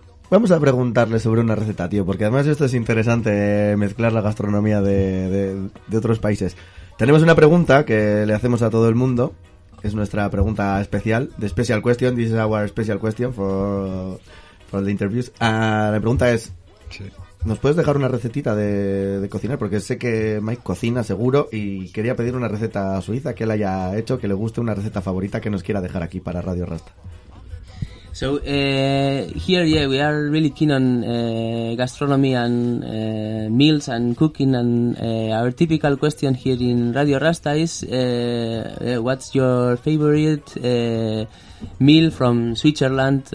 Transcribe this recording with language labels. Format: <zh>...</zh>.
<es>Vamos a preguntarle sobre una receta, tío, porque además esto es interesante, mezclar la gastronomía de otros países. Tenemos una pregunta que le hacemos a todo el mundo. Es nuestra pregunta especial,</es> <en>the special question. This is our special question for the interviews.</en> <es>La pregunta es, ¿nos puedes dejar una recetita de cocinar? Porque sé que Mike cocina seguro y quería pedir una receta suiza que él haya hecho, que le guste, una receta favorita que nos quiera dejar aquí para Radio Rasta.</es> <en>So here, yeah, we are really keen on gastronomy and meals and cooking, and our typical question here in Radio Rasta is what's your favorite meal from Switzerland?</en>